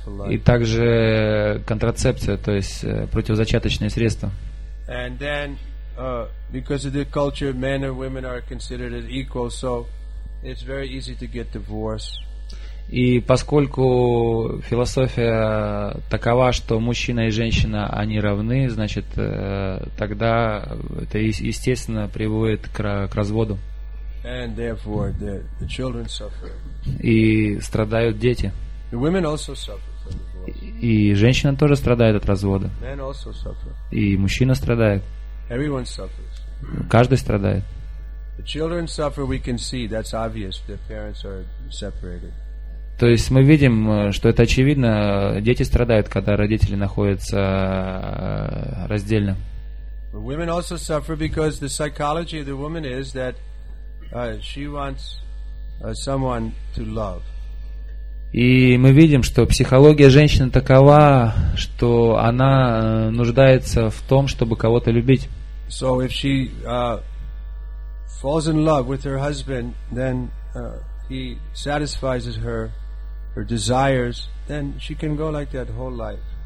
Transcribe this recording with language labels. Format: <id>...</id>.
<ru>И также контрацепция, то есть противозачаточные средства.</ru> <en>And then because of the culture, men and women are considered as equal, so it's very easy to get divorced.</en> <ru>И поскольку философия такова, что мужчина и женщина они равны, значит, тогда это естественно приводит к разводу.</ru> <en>And therefore the children suffer.</en> <ru>И страдают дети.</ru> <en>The women also suffer from divorce.</en> <ru>И женщина тоже страдает от развода.</ru> <en>Men also suffer.</en> <ru>И мужчина страдает.</ru> <en>Everyone suffers.</en> <ru>Каждый страдает.</ru> <en>The children suffer, we can see, that's obvious, their parents are separated.</en> <ru>То есть мы видим, что это очевидно, дети страдают, когда родители находятся раздельно.</ru> <en>But women also suffer because the psychology of the woman is that she wants someone to love.</en> <ru>И мы видим, что психология женщины такова, что она нуждается в том, чтобы кого-то любить.</ru> <en>So if she falls in love with her husband, then he satisfies her her desires, then she can go like that whole life.</en>